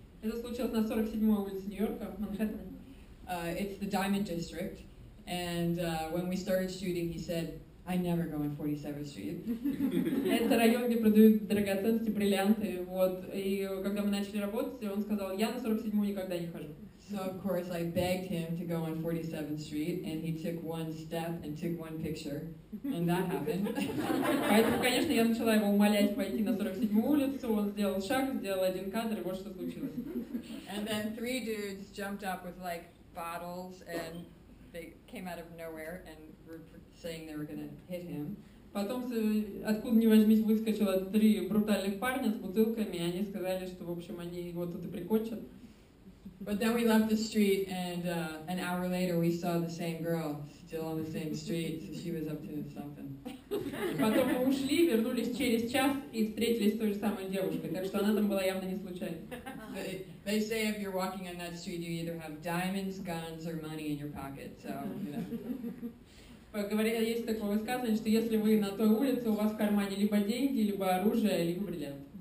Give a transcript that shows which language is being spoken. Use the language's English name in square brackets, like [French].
[Russian] Это случилось на 47-й улице Нью-Йорка, Манхэттен. [English] It's the Diamond District, and when we started shooting, he said, I never go on 47th Street. [Russian] Это район, где продают драгоценности, бриллианты, вот. И когда мы начали работать, он сказал, я на 47-й никогда не хожу. [English] So of course I begged him to go on 47th Street, and he took one step and took one picture, and that happened. [Russian] Поэтому, конечно, я начала его умолять пойти на 47-ю улицу, он сделал шаг, сделал один кадр, и вот что случилось. [English] And then three dudes jumped up with like bottles, and they came out of nowhere and were saying they were gonna hit him. [Russian] Потом, откуда ни возьмись, выскочило три брутальных парня с бутылками, и они сказали, что, в общем, они его тут и прикончат. [English] But then we left the street, and an hour later we saw the same girl still on the same street, so she was up to something. [Russian] Потом мы ушли, вернулись через час и встретились с той же самой девушкой, так что она там была явно не случайно. [English] They say if you're walking on that street, you either have diamonds, guns, or money in your pocket, so, you know. [Russian] Говорят, есть такое высказывание, что если вы на той улице, у вас в кармане либо деньги, либо оружие, либо бриллиант.